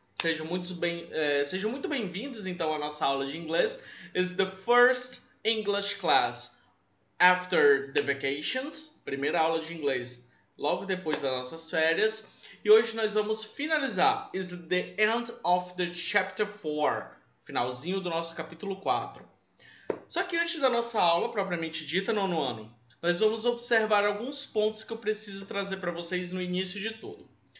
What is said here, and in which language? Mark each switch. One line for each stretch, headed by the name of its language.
Portuguese: Sejam muito bem-vindos então à nossa aula de inglês.
English: It's the first English class after the vacations.
Portuguese: Primeira aula de inglês logo depois das nossas férias. E hoje nós vamos finalizar.
English: It's the end of the chapter 4.
Portuguese: Finalzinho do nosso capítulo 4. Só que antes da nossa aula propriamente dita, nono ano, nós vamos observar alguns pontos que eu preciso trazer para vocês no início de tudo.